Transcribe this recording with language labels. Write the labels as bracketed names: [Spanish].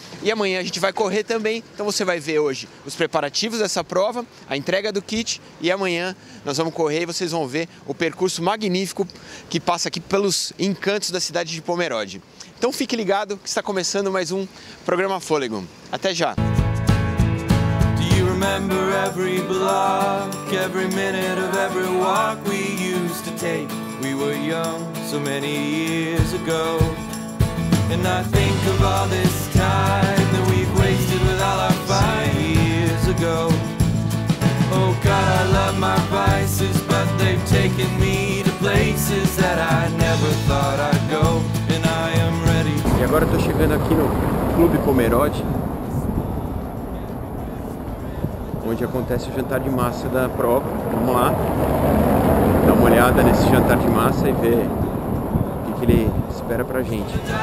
[Portuguese] E amanhã a gente vai correr também, então você vai ver hoje os preparativos dessa prova, a entrega do kit, e amanhã nós vamos correr e vocês vão ver o percurso magnífico que passa aqui pelos encantos da cidade de Pomerode. Então fique ligado que está começando mais um programa Fôlego. Até já! [English] Do you remember every block, every minute of every walk we used to take? We were young so many years ago. And I think of all this time that we've wasted with all our fine years ago. Oh God, I love my vices, but they've taken me to places that I never thought I'd go. And I am ready. [Portuguese] E agora eu tô chegando aqui no Clube Pomerode, onde acontece o jantar de massa da prova. Vamos lá dar uma olhada nesse jantar de massa e ver o que ele espera pra gente.